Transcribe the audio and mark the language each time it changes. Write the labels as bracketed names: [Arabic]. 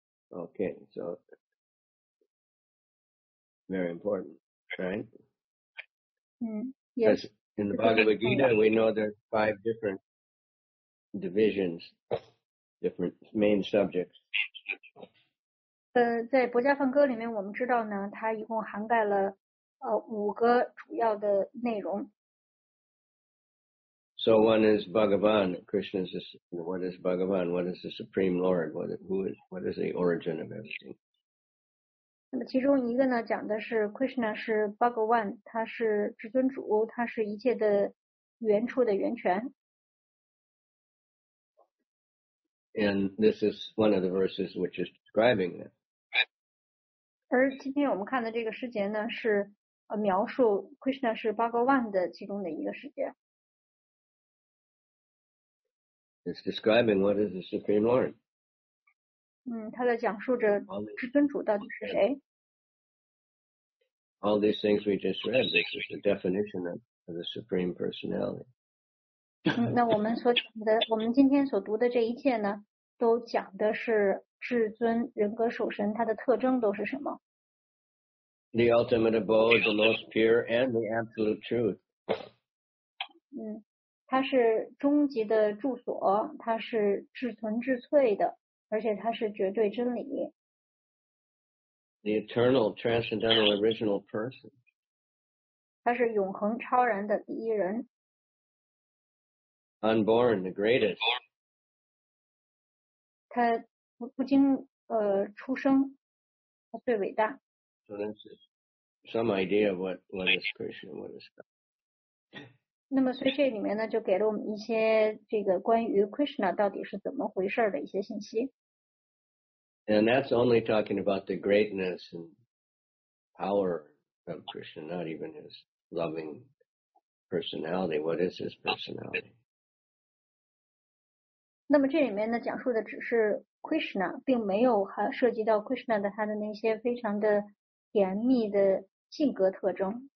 [English] Okay, so very important, right? Yes. In the Bhagavad Gita, we know there are five different divisions, different main subjects. [Chinese] 在博迦梵歌里面，我们知道呢，它一共涵盖了五个主要的内容。 [English] So one is Bhagavan. Krishna is this, what is Bhagavan? What is the Supreme Lord? What is the origin of everything? [Chinese] 那么其中一个呢，讲的是 Krishna 是 Bhagavan， 他是至尊主，他是一切的原处的源泉。 [English] And this is one of the verses which is describing that. [Chinese] 而今天我们看的这个师节呢，是描述 Krishna 是 Bhagavan 的其中的一个师节。 [English] It's describing what is the Supreme Lord. [Chinese] 他在讲述着至尊主到底是谁。 [English] All these things we just read, this is the definition of the Supreme Personality. [Chinese] 那我们所讲的，我们今天所读的这一切呢，都讲的是至尊人格首身，它的特征都是什么 [English] ？The ultimate abode, the most pure, and the absolute truth. [Chinese] 它是终极的住所，它是至纯至粹的，而且它是绝对真理。 [English] The eternal, transcendental, original person. [Chinese] 它是永恒超然的第一人。 [English] Unborn, the greatest. [Chinese] 它不经出生，它最伟大。 [English] So this is some idea of what is Krishna, what is God. [Chinese] 那么所以这里面呢，就给了我们一些这个关于 Krishna 到底是怎么回事的一些信息。 [English] And that's only talking about the greatness and power of Krishna, not even his loving personality. What is his personality? [Chinese] 那么这里面呢，讲述的只是 Krishna， 并没有涉及到 Krishna 的他的那些非常的甜蜜的性格特征。